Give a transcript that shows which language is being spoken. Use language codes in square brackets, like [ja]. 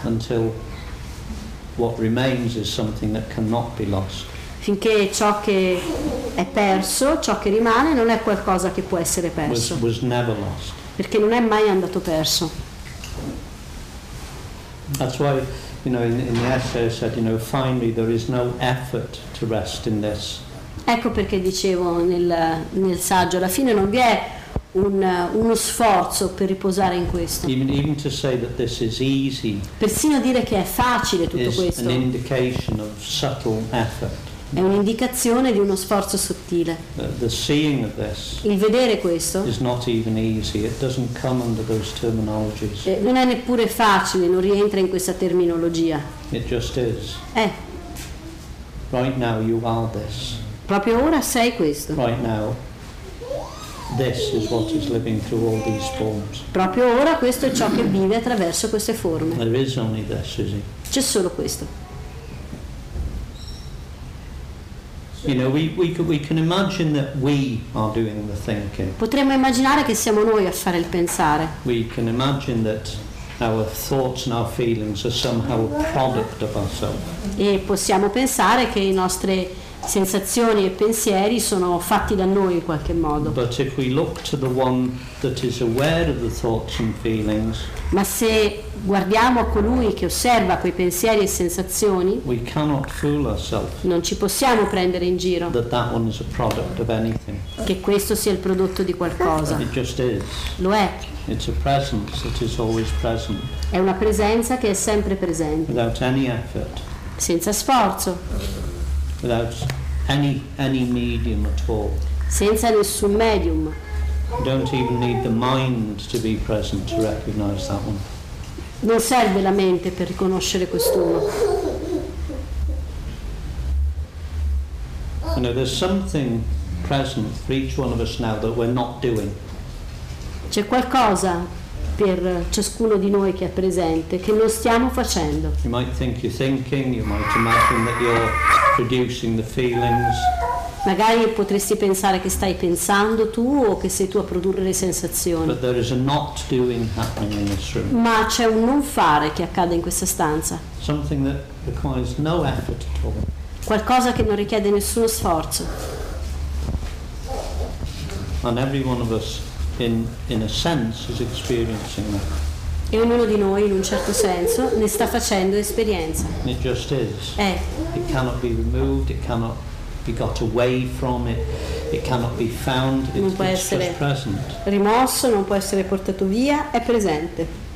[en] Until what remains is something that cannot be lost. [it] Finché ciò che è perso, ciò che rimane, non è qualcosa che può essere perso. [en] Was never lost. [it] perché non è mai andato perso. [en] That's why, you know, in the essay I said, you know, finally there is no effort to rest in this. [it] Ecco perché dicevo nel saggio, alla fine non vi è uno sforzo per riposare in questo. [en] Even to say that this is easy. [it] Persino dire che è facile tutto questo. [en] An indication of subtle effort. [it] È un'indicazione di uno sforzo sottile. [en] The seeing of this. [it] Il vedere questo. [en] Is not even easy. It doesn't come under those terminologies. [it] Non è neppure facile, non rientra in questa terminologia. [en] It just is. [it] È. [en] Right now you are this. [it] Proprio ora sei questo. [en] Right now. This is what is living through all these forms. [it] Proprio ora questo è ciò che vive attraverso queste forme. [en] There is only this, is it? [it] C'è solo questo. [en] You know, we can imagine that we are doing the thinking. [it] Potremmo immaginare che siamo noi a fare il pensare. [en] We can imagine that our thoughts and our feelings are somehow a product of ourselves. [it] E possiamo pensare che i nostri sensazioni e pensieri sono fatti da noi in qualche modo. [en] But if we look to the one that is aware of the thoughts and feelings, [it] ma se guardiamo a colui che osserva quei pensieri e sensazioni, [en] we cannot fool ourselves. [it] Non ci possiamo prendere in giro. [en] That one is a product of anything. [it] Che questo sia il prodotto di qualcosa. [en] It just is. [it] Lo è. [en] It's a presence that is always present. [it] È una presenza che è sempre presente. [en] Without any effort. [it] Senza sforzo. [en] Without any medium at all. [it] Senza nessun medium. [en] You don't even need the mind to be present to recognize that one. [it] Non serve la mente per riconoscere quest'uno. [en] You know, there's something present for each one of us now that we're not doing. [it] C'è qualcosa per ciascuno di noi che è presente che non stiamo facendo. [en] You might think you're thinking, you might imagine that you're producing the feelings. [it] Magari potresti pensare che stai pensando tu o che sei tu a produrre le sensazioni. [en] But there is a not doing happening in this room. [it] Ma c'è un non fare che accade in questa stanza. [en] Something that requires no effort at all. [it] Qualcosa che non richiede nessuno sforzo. [en] And every one of us in a sense is experiencing that. [it] E ognuno di noi, in un certo senso, ne sta facendo esperienza. [en] It just is. [it] È. [en] It cannot be removed, it cannot be got away from, it cannot be found, it's just present. [it] Rimosso, non può essere portato via, è presente.